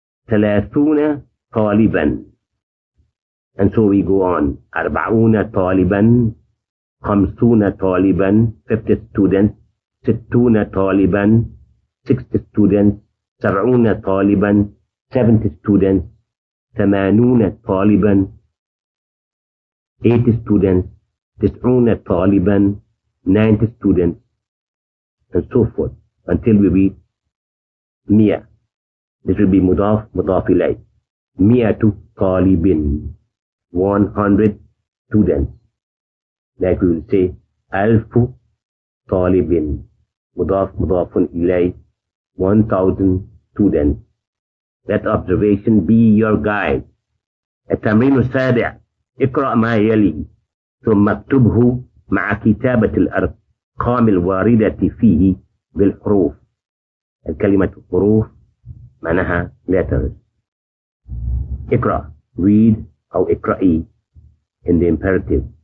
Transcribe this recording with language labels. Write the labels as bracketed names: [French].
[English] 30 طالبا and so we go on 40 طالبا 50 طالبا 50 students 60 طالبا 60 students 70 طالبا 70 students, 80 طالبا, 80 students, 90 طالبا, 90 students, and so forth, until we reach 100. This will be mudaf, mudaf ilay. 100 talibin, 100 students. Like we will say, alf talibin, mudaf, mudaf ilay, 1000 students. Let observation be your guide. [Arabic] التمرين السابع اقرأ ما يلي ثم اكتبه مع كتابة الأرقام الواردة فيه بالحروف. الكلمة حروف معناها letters. [English] اقرأ read أو اقرأي in the imperative.